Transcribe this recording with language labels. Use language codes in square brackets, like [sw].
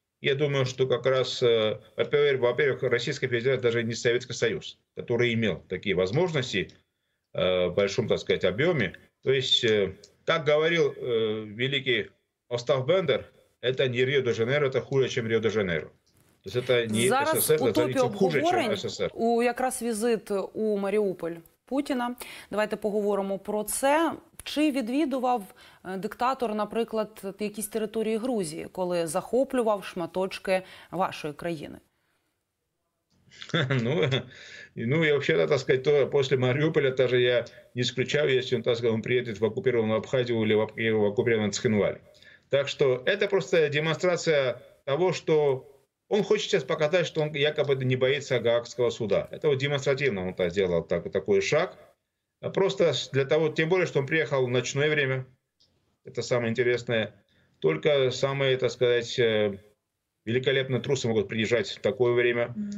[ru] Я думаю, что как раз, во-первых, Российская Федерация даже не Советский Союз, который имел такие возможности в большом, так сказать, объеме. То есть, как говорил великий Остап Бендер, это не Рио-де-Жанейро, это хуже, чем Рио-де-Жанейро. [uk] Зараз у топі обговорень, якраз візит у Маріуполь, Путіна. Давайте поговоримо про це. Чи відвідував диктатор, наприклад, якісь території Грузії, коли захоплював шматочки вашої країни? Ну, я взагалі, так сказати, то після Маріуполя теж я не исключав, якщо він, так сказати, приїде в окуповану Абхазію чи в окуповану Цхинвалі. Так що це просто демонстрація того, що [ru] он хочет сейчас показать, что он якобы не боится Гаагского суда. Это вот демонстративно он так сделал так, такой шаг. Просто для того, тем более, что он приехал в ночное время. Это самое интересное. Только самые, так сказать, великолепные трусы могут приезжать в такое время.